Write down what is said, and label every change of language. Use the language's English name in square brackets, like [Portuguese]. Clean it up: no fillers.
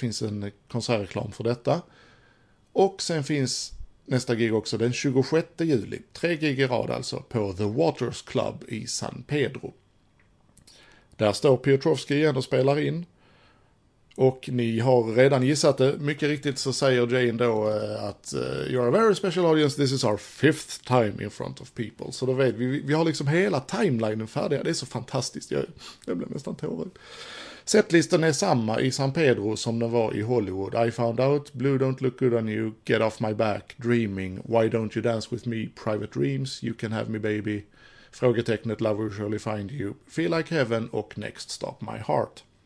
[Swedish] Finns en konsertreklam för detta. Och sen finns nästa gig också den 26 juli. Tre gig i rad alltså på The Waters Club i San Pedro. Där står Piotrowski igen och spelar in. Och ni har redan gissat det. Mycket riktigt så säger Jane då att [English] you're a very special audience. This is our fifth time in front of people. [Swedish] Så då vet vi. Vi har liksom hela timelinen färdiga. Det är så fantastiskt. Jag blev nästan tårögd. Setlistan är samma i San Pedro som den var i Hollywood. I Found Out, Blue Don't Look Good On You, Get Off My Back, Dreaming, Why Don't You Dance With Me, Private Dreams, You Can Have Me Baby, frågetecknet Love Will Surely Find You, Feel Like Heaven och Next Stop My Heart.